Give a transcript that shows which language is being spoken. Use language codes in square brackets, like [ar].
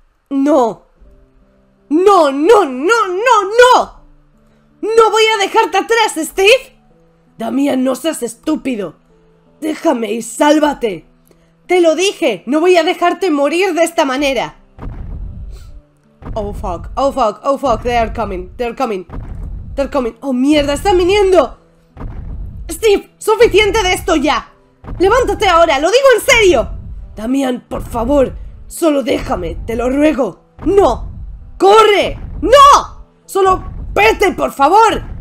[es] ¡No! ¡No, no, no, no, no! ¡No voy a dejarte atrás, Steve! Damián, no seas estúpido. ¡Déjame y sálvate! ¡Te lo dije! ¡No voy a dejarte morir de esta manera! [en] Oh fuck, oh fuck, oh fuck, they are coming, they are coming, they are coming. [es] Oh mierda, están viniendo. Steve, suficiente de esto ya. Levántate ahora, lo digo en serio. Damián, por favor, solo déjame, te lo ruego. No, corre, no, solo vete, por favor.